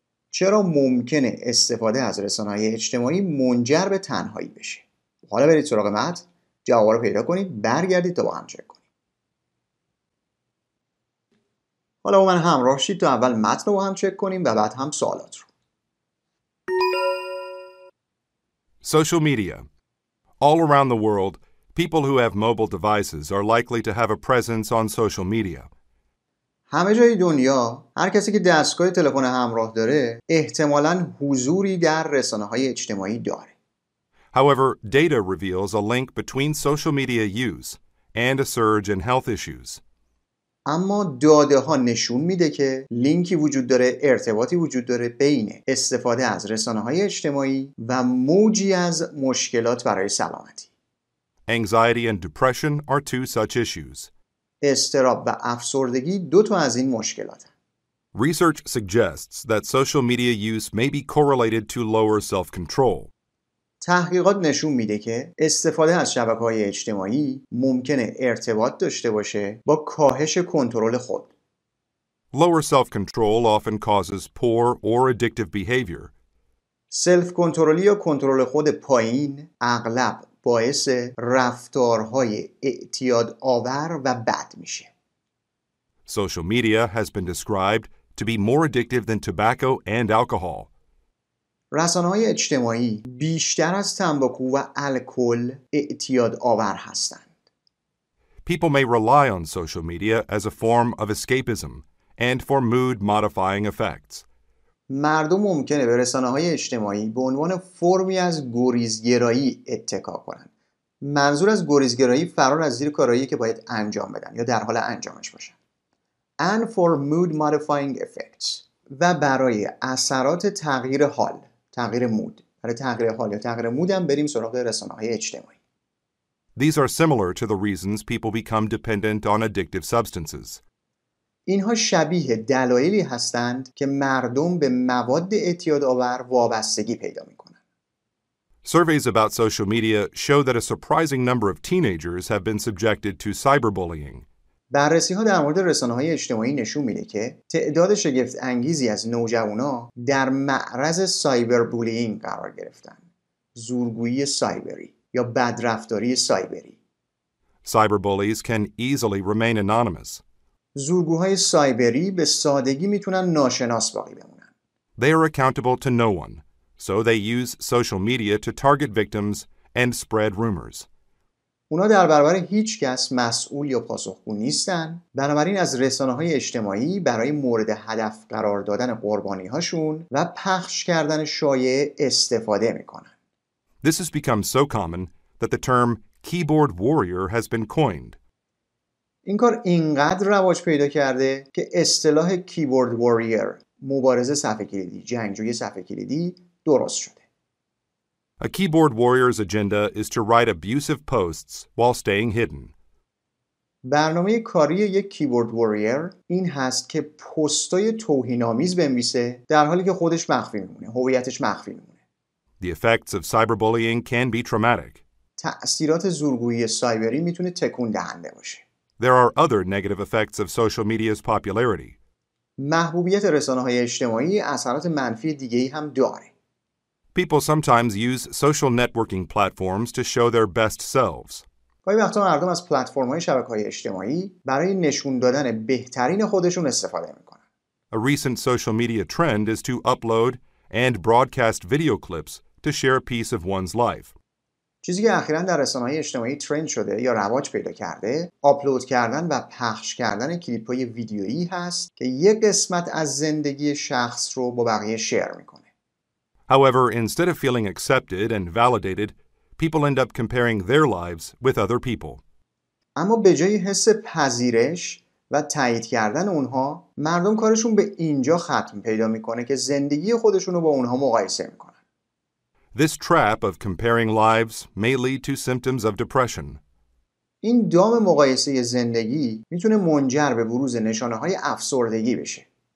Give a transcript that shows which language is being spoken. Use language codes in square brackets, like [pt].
[fa] چرا ممکنه استفاده از رسانه‌های اجتماعی منجر به تنهایی بشه؟ حالا برید سراغ مد، جواب رو پیدا کنید، برگردید تا با هم چک کنید. حالا با من همراه شید تا اول متن رو با هم چک کنیم و بعد هم سوالات رو. [en] Social media. All around the world, people who have mobile devices are likely to have a presence on social media. [fa] همه جای دنیا هر کسی که دستگاه تلفن همراه داره احتمالاً حضوری در رسانه‌های اجتماعی داره. [en] However, data reveals a link between social media use and a surge in health issues. [fa] اما داده ها نشون میده که لینکی وجود داره، ارتباطی وجود داره بین استفاده از رسانه های اجتماعی و موجی از مشکلات برای سلامتی. [en] Anxiety and depression are two such issues. [fa] اضطراب و افسردگی دو تا از این مشکلات هست. [en] Research suggests that social media use may be correlated to lower self-control. [fa] تحقیقات نشون میده که استفاده از شبکه‌های اجتماعی ممکنه ارتباط داشته باشه با کاهش کنترل خود. [en] Lower self-control often causes poor or addictive behavior. [fa] سلف‌کنترل یا کنترل خود پایین اغلب باعث رفتارهای اعتیادآور و بد میشه. [en] Social media has been described to be more addictive than tobacco and alcohol. [fa] رسانه‌های اجتماعی بیشتر از تنباکو و الکل اعتیاد آور هستند. [en] People may rely on social media as a form of escapism and for mood modifying effects. [fa] مردم ممکنه به رسانه‌های اجتماعی به عنوان فرمی از گریزگرایی اتکا کنند. منظور از گریزگرایی فرار از زیر کارهایی که باید انجام بدن یا در حال انجامش باشن. [en] And for mood modifying effects. [fa] و برای اثرات تغییر حال. تغییر مود. برای تغییر حال یا تغییر مود هم بریم سراغ رسانه‌های اجتماعی. [en] These are similar to the reasons people become dependent on addictive substances. [fa] اینها شبیه دلایلی هستند که مردم به مواد اعتیادآور وابستگی پیدا می‌کنند. [en] Surveys about social media show that a surprising number of teenagers have been subjected to cyberbullying. [fa] بررسی‌ها در مورد رسانه‌های اجتماعی نشون می‌ده که تعداد شگفت انگیزی از نوجوان‌ها در معرض سایبربولینگ قرار گرفتن. زورگویی سایبری یا بدرفتاری سایبری. [en] Cyberbullies can easily remain anonymous. [fa] زورگوهای سایبری به سادگی میتونن ناشناس باقی بمونن. [en] They are accountable to no one, so they use social media to target victims and spread rumors. [fa] اونا در برابر هیچ کس مسئول یا پاسخگو نیستن، بنابراین از رسانه‌های اجتماعی برای مورد هدف قرار دادن قربانی‌هاشون و پخش کردن شایعه استفاده می‌کنن. [en] This has become so common that the term keyboard warrior has been coined. [fa] این کار اینقدر رواج پیدا کرده که اصطلاح keyboard warrior، مبارز صفحه کلیدی، جنگجوی صفحه کلیدی درست شده. [en] A keyboard warrior's agenda is to write abusive posts while staying hidden. [fa] برنامه کاری یک کیبورد واریر این هست که پست‌های توهین‌آمیز بنویسه در حالی که خودش مخفی می‌مونه، هویتش مخفی می‌مونه. [en] The effects of cyberbullying can be traumatic. [fa] تأثیرات زورگویی سایبری میتونه تکون دهنده باشه. [en] There are other negative effects of social media's popularity. [fa] محبوبیت رسانه‌های اجتماعی اثرات منفی دیگه‌ای هم داره. [en] People sometimes use social networking platforms to show their best selves. [fa] گاهی وقتا مردم از پلتفرم‌های شبکه‌های اجتماعی برای نشون دادن بهترین خودشون استفاده می‌کنن. [en] A recent social media trend is to upload and broadcast video clips to share a piece of one's life. [fa] چیزی که اخیراً در رسانه‌های اجتماعی ترند شده یا رواج پیدا کرده، آپلود کردن و پخش کردن کلیپ‌های ویدیویی هست که یک قسمت از زندگی شخص رو با بقیه شیر می‌کنه. [en] However, instead of feeling accepted and validated, people end up comparing their lives with other people. [fa] اما به جای حس پذیرش و تایید کردن اونها، مردم کارشون به اینجا ختم پیدا می‌کنه که زندگی خودشون رو با اونها مقایسه می‌کنن. [en] This trap of comparing lives may lead to symptoms of depression. [fa] این دام مقایسه زندگی میتونه منجر به بروز نشانه‌های افسردگی بشه.